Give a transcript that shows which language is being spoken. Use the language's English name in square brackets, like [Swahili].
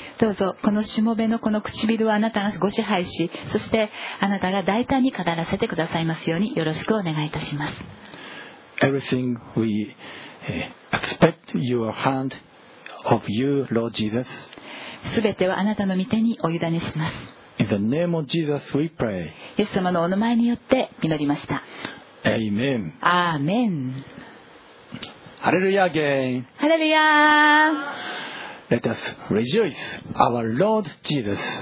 [Japanese] どうぞこのしもべのこの唇をあなたがご支配し、そしてあなたが大胆に語らせてくださいますようによろしくお願いいたします。 [English] Everything we expect your hand of you, Lord Jesus. [Japanese] すべてはあなたの御手にお委ねします。 [English] In the name of Jesus, we pray. [Japanese] イエス様のお名前によって祈りました。 [English] Amen. Amen. Hallelujah again. Hallelujah. Let us rejoice our Lord Jesus.